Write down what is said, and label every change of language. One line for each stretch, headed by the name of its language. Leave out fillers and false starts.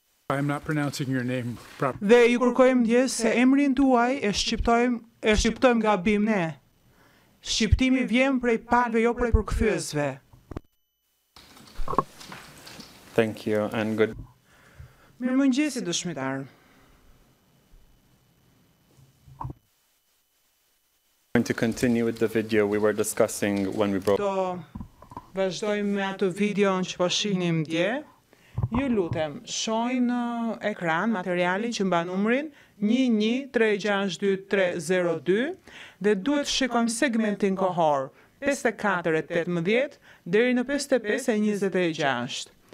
English: I'm not pronouncing your name properly.
Albanian: Dhe ju kërkojmë ndjes se emrin tuaj e shqiptojmë gabim ne. Shqiptimi vjen prej palëve, jo prej përkthyesve.
English: Thank you and good.
Albanian: Mirëmëngjesi, dëshmitar.
English: Going to continue with the video we were discussing when we broke.
Albanian: Do vazhdojmë me atë videon që po shihnim dje. Ju lutem, shohim në ekran materialin që mban numrin 1136-2302 dhe duhet shikojmë segmentin kohor 54-18 deri në 55-26.